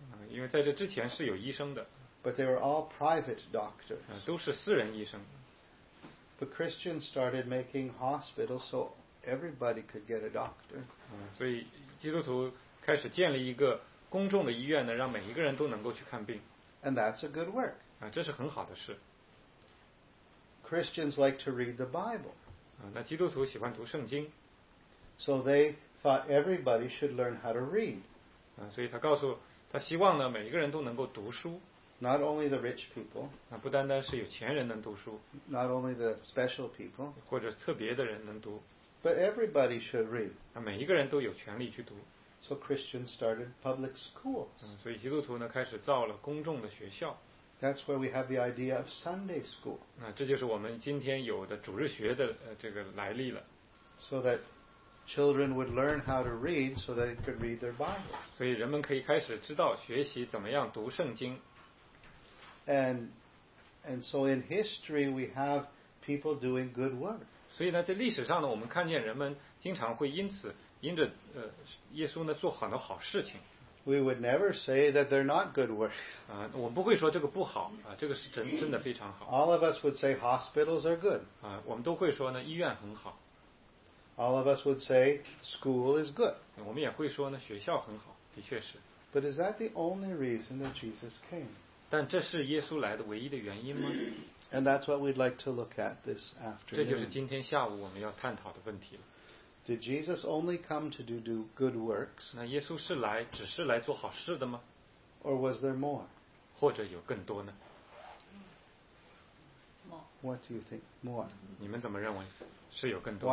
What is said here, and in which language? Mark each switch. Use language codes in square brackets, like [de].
[zh] 因为在这之前是有医生的。 [en] But they were all private doctors. [zh] 都是私人医生。 [en] But Christians started making hospitals so everybody could get a doctor. [zh] 所以基督徒开始建立一个公众的医院呢，让每一个人都能够去看病。 [en] And that's a good work. [zh] 这是很好的事。 [en] Christians like to read the Bible. [zh] 那基督徒喜欢读圣经。 [en] So they thought everybody should learn how to read. [zh] 所以他希望呢，每一个人都能够读书。 [en] Not only the rich people. [zh] 不单单是有钱人能读书。 [en] Not only the special people. [zh] 或者特别的人能读。 [en] But everybody should read. [zh] 每一个人都有权利去读。 [en] So Christians started public schools. [zh] 所以基督徒呢开始造了公众的学校。 [en] That's where we have the idea of Sunday school. [zh] 这就是我们今天有的主日学的这个来历了。 [en] So that children would learn how to read so they could read their Bible. [zh] 所以人们可以开始知道学习怎么样读圣经。 [en] And so in history we have people doing good work. [zh] 所以呢，在历史上呢，我们看见人们经常会因着耶稣呢做很多好事情。 [en] We would never say that they're not good work. [zh] 我们不会说这个不好这个是真的非常好。 [en] All of us would say hospitals are good. [zh] 我们都会说呢，医院很好。 [en] All of us would say school is good. [zh] 我们也会说呢，学校很好，的确是。 [en] But is that the only reason that Jesus came? [zh] 但这是耶稣来的唯一的原因吗？ [en] And that's what we'd like to look at this afternoon. [zh] 这就是今天下午我们要探讨的问题了。 [en] Did Jesus only come to do good works? [zh] 那耶稣是来只是来做好事的吗？ [en] Or was there more? [zh] 或者有更多呢？ [en] What do you think? More. [zh] 你们怎么认为是有更多？